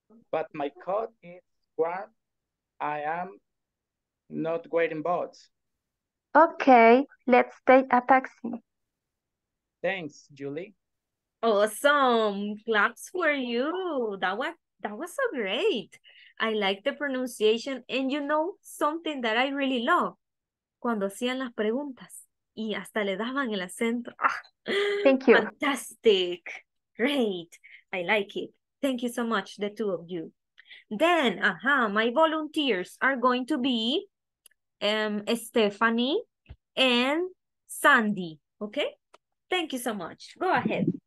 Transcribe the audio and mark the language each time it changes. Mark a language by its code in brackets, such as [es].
[en] But my coat is warm. I am not wearing boots. Okay, let's take a taxi. Thanks, Julie. Awesome. Claps for you. That was so great. I like the pronunciation. And you know something that I really love? [es] Cuando hacían las preguntas y hasta le daban el acento. Ah, [en] thank you. Fantastic. Great. I like it. Thank you so much, the two of you. Then, my volunteers are going to be Stephanie and Sandy, okay? Thank you so much. Go ahead.